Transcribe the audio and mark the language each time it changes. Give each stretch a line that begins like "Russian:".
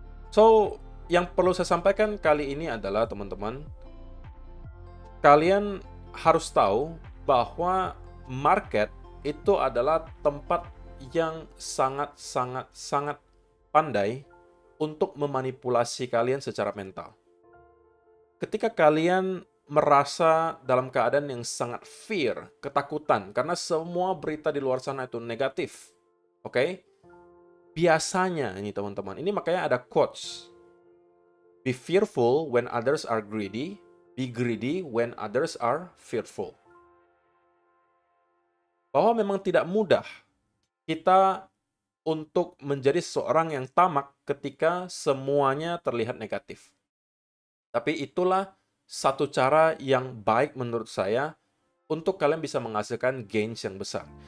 Indonesian: So, yang perlu saya sampaikan kali ini adalah, teman-teman, kalian harus tahu bahwa market itu adalah tempat yang sangat-sangat-sangat pandai untuk memanipulasi kalian secara mental. Ketika kalian merasa dalam keadaan yang sangat fear, ketakutan, karena semua berita di luar sana itu negatif, oke? Biasanya ini teman-teman, ini makanya ada quotes.
English: Be fearful when others are greedy, be greedy when others are fearful.
Indonesian: Bahwa memang tidak mudah kita untuk menjadi seorang yang tamak ketika semuanya terlihat negatif. Tapi itulah satu cara yang baik menurut saya untuk kalian bisa menghasilkan gains yang besar.